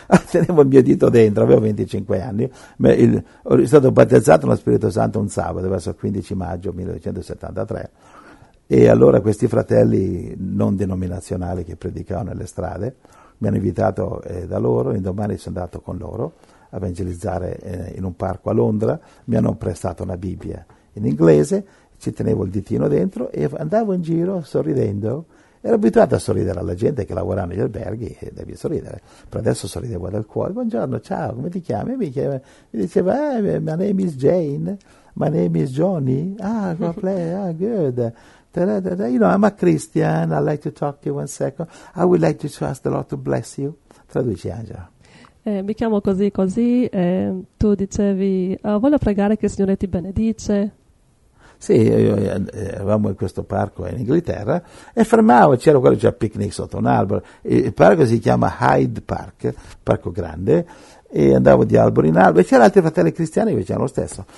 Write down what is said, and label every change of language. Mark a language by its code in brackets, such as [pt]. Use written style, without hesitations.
[it] Tenevo il mio dito dentro, avevo 25 anni, ma ero stato battezzato nello Spirito Santo un sabato, verso il 15 maggio 1973. E allora questi fratelli non denominazionali che predicavano nelle strade mi hanno invitato da loro, e domani sono andato con loro a evangelizzare in un parco a Londra. Mi hanno prestato una Bibbia in inglese, ci tenevo il ditino dentro e andavo in giro sorridendo. Ero abituato a sorridere alla gente che lavorava negli alberghi e devi sorridere, però adesso sorridevo dal cuore. Buongiorno, ciao, come ti chiami? Mi diceva, [en] my name is Jane, my name is Johnny, good. You know, I'm a Christian, I'd like to talk to you one second, I would like to ask the Lord to bless you. [it] Traduci, Angela. Mi chiamo così, tu dicevi, voglio pregare che il Signore ti benedice. Sì, eravamo in questo parco in Inghilterra e fermavo, c'era quello, c'era picnic sotto un albero, il parco si chiama Hyde Park, parco grande, e andavo di albero in albero, e c'erano altri fratelli cristiani che facevano lo stesso.